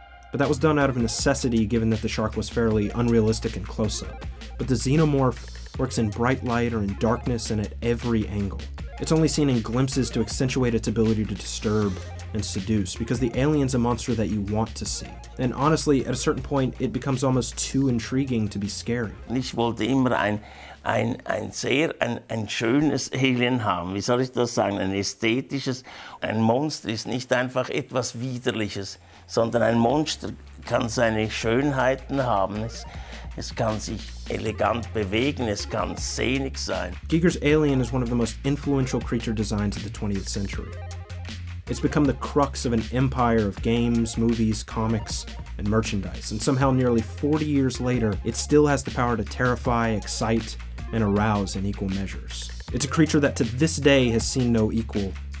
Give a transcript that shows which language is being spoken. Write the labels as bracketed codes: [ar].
[en] But that was done out of necessity, given that the shark was fairly unrealistic in close-up. But the xenomorph works in bright light or in darkness and at every angle. It's only seen in glimpses to accentuate its ability to disturb and seduce, because the alien's a monster that you want to see. And honestly, at a certain point, it becomes almost too intriguing to be scary. [de] Ich wollte immer ein sehr schönes Alien haben. Wie soll ich das sagen? Ein ästhetisches. Ein Monster ist nicht einfach etwas Widerliches, sondern ein Monster kann seine Schönheiten haben. Es kann sich elegant bewegen, es kann szenig sein. [en] Giger's Alien is one of the most influential creature designs of the 20th century. It's become the crux of an empire of games, movies, comics, and merchandise, and somehow nearly 40 years later, it still has the power to terrify, excite, and arouse in equal measures. It's a creature that to this day has seen no equal,